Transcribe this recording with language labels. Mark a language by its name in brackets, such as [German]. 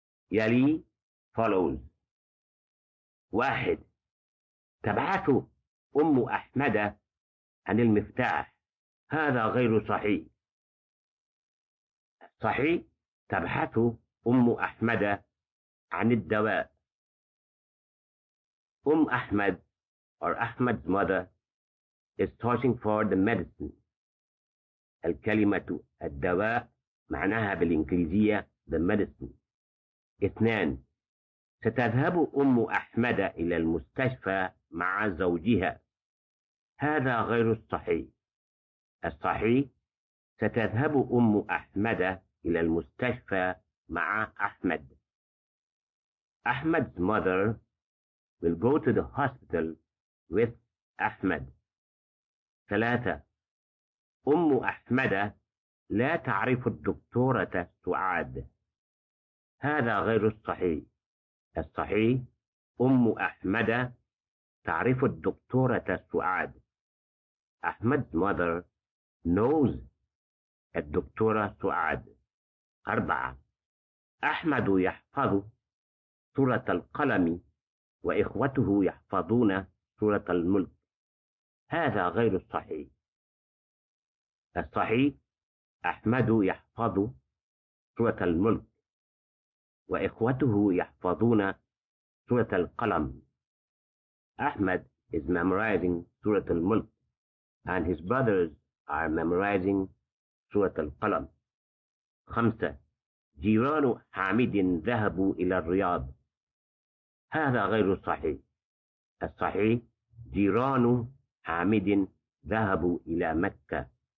[Arabic] يلي follows. واحد، تبعث أم أحمد عن المفتاح، هذا غير صحيح. صحيح، تبحث أم أحمد عن الدواء. [English] أم أحمد or أحمد's mother is searching for the medicine. [Arabic] الكلمة الدواء معناها بالإنجليزية the medicine. اثنان، ستذهب أم أحمد إلى المستشفى مع زوجها، هذا غير الصحيح. الصحيح، ستذهب أم أحمد إلى المستشفى مع أحمد. [English] أحمد's mother will go to the hospital with أحمد. [Arabic] ثلاثة، أم أحمد لا تعرف الدكتورة سعاد، هذا غير الصحيح. الصحيح أم أحمد تعرف الدكتورة سعاد. [English] أحمد's mother knows الدكتورة سعاد. 4. [Arabic] أحمد يحفظ سورة القلم وإخوته يحفظون سورة الملك. هذا غير الصحيح. الصحيح أحمد يحفظ سورة الملك وإخوته يحفظون سورة القلم. [English] أحمد is memorizing سورة الملك and his brothers are memorizing سورة القلم. 5. [Arabic] جيران حامد ذهبوا إلى الرياض. هذا غير صحيح. الصحيح جيران حامد ذهبوا إلى مكة.